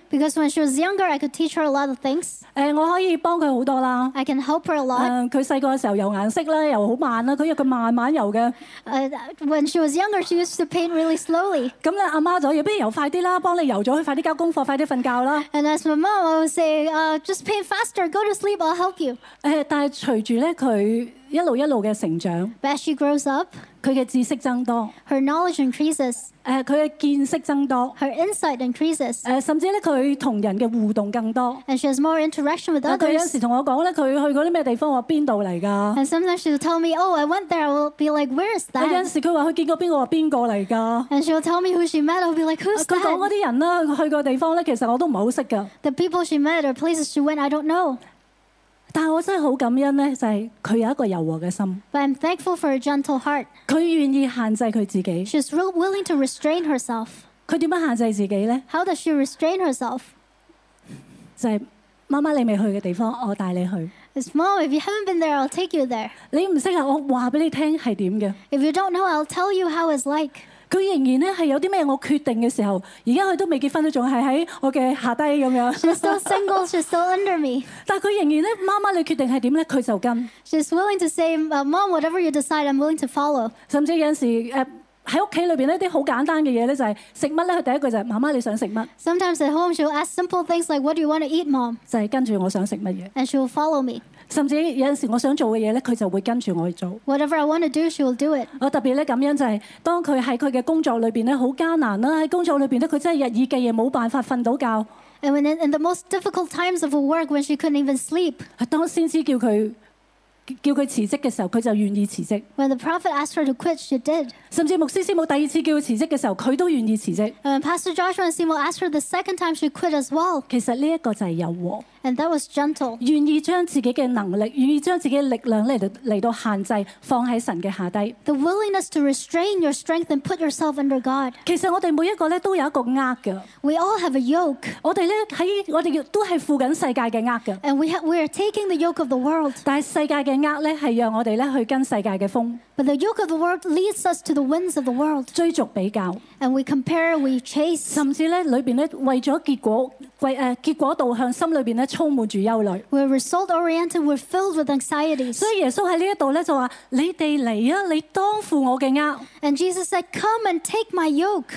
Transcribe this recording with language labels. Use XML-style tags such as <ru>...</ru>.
<en>？Because when she was younger, I could teach her a lot of things.</en> <yue>我可以幫佢好多啦。</yue> <en>I can help her a lot.</en> <yue>佢細個嘅時候油顏色咧，又好慢啦，佢慢慢油嘅。</yue> <en>When she was younger, she used to paint really slowly.</en> <yue>咁咧，阿媽就話：，不如油快啲啦，幫你油咗，快啲交功課，快啲瞓覺啦。</yue> <en>And as my mom, I would say, just paint faster, go to sleep, I'll help you.</en> <yue>但係隨住咧佢。一路一路嘅成長</yue> <en>，but she grows up，</en> <yue>佢嘅知識增多</yue> <en>，her knowledge increases，</en> <yue>佢嘅見識增多</yue> <en>，her insight increases，</en> <yue>甚至咧佢同人嘅互動更多</yue> <en>，and she has more interaction with others。</en> <yue>佢有時同我講咧，佢去嗰啲咩地方，我邊度嚟㗎</yue> <en>？And sometimes she will tell me， oh， I went there， I will be like， where is that？</en> <yue>有陣時佢話佢見過邊個，話邊個嚟㗎</yue> <en>？And she will tell me who she met， I will be like， who's that？</en> <yue>佢講嗰啲人啦，去個地方咧，其實我都唔係好識㗎。</yue> <en>The people she met or places she went， I don't know。</en> <yue>但我真的很感恩咧，就係佢有一個柔和嘅心。</yue> <en>But I'm thankful for a gentle heart.</en> <yue>佢願意限制佢自己。</yue> <en>She's willing to restrain herself.</en> <yue>佢點樣限制自己咧</yue> <en>？How does she restrain herself？</en> <yue>就係媽媽你未去嘅地方，我帶你去。</yue> <en>It's mom. If you haven't been there, I'll take you there.</en> <yue>你唔識啊，我話俾你聽係點嘅。</yue> <en>If you don't know, I'll tell you how it's like.</en> <yue>佢仍然咧係有啲咩我決定嘅時候，而家佢都未結婚，都仲係喺我嘅下低咁樣。</yue> <en>She's still single. She's still under me.</en> <yue>但佢仍然咧，媽媽你決定係點咧，佢就跟。</yue> <en>She's willing to say, "Mom, whatever you decide, I'm willing to follow."</en> <yue>甚至有陣時喺屋企裏邊咧，啲好簡單嘅嘢咧，就係食乜咧，佢第一句就係媽媽你想食乜。</yue> <en>Sometimes at home, she'll ask simple things like, "What do you want to eat, Mom?"</en> <yue>就係跟住我想食乜嘢。</yue> <en>And she'll follow me.</en> <yue>甚至有陣時我想做嘅嘢咧，佢就會跟住我去做。</yue> <en>Whatever I want to do, she will do it。</en> <yue>我特別咧感恩就係，當佢喺佢嘅工作裏邊咧好艱難啦，喺工作裏邊咧佢真係日以繼夜冇辦法瞓到覺。</yue> <en>And when in the most difficult times of work, when she couldn't even sleep。</en> <yue>當先知叫佢辭職嘅時候，佢就願意辭職。</yue> <en>When the prophet asked her to quit, she did。</en> <yue>甚至牧師師母第二次叫佢辭職嘅時候，佢都願意辭職。</yue> <en>When Pastor Joshua and Simo asked her the second time, she quit as well。</en> <yue>其實呢一個就係柔和。</yue> <en>And that was gentle.</en> <yue>願意將自己嘅能力，願意將自己嘅力量嚟到限制，放喺神嘅下低。</yue> <en>The willingness to restrain your strength and put yourself under God.</en> <yue>其實我哋每一個咧都有一個轄嘅。</yue> <en>We all have a yoke.</en> <yue>我哋咧喺我哋都係負緊世界嘅轄嘅。</yue> <en>And we are taking the yoke of the world.</en> <yue>但係世界嘅轄咧係讓我哋咧去跟世界嘅風。</yue> <en>But the yoke of the world leads us to the winds of the world.</en> <yue>追逐比較。</yue> <en>And we compare, we chase.</en> <yue>甚至咧裏邊咧為咗結果。結果導向，心裏邊咧充滿住憂慮。</yue> <en>We're result oriented. We're filled with anxieties.</en> <yue>所以耶穌喺呢一度咧就話：你哋嚟啊，你當負我嘅轭。</yue> <en>And Jesus said, "Come and take my yoke."</en>